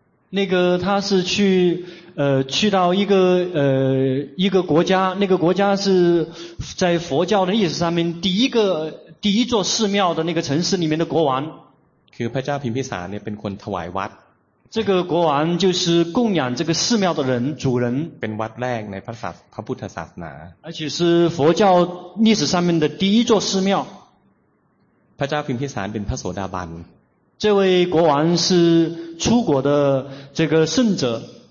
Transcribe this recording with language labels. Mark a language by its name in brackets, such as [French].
[Chinese] 那个他是去到一个国家，那个国家是在佛教的历史上面第一座寺庙的那个城市里面的国王。 [Thai] คือพระเจ้าพิมพิสารเนี่ยเป็นคนถวายวัด。 [Chinese] 这个国王就是供养这个寺庙的人主人。 [Thai] เป็นวัดแรกในพระพุทธศาสนา。 [Chinese] 而且是佛教历史上面的第一座寺庙。 [Thai] พระเจ้าพิมพิสารเป็นพระโสดาบัน。 [Chinese] 这位国王是出国的这个圣者。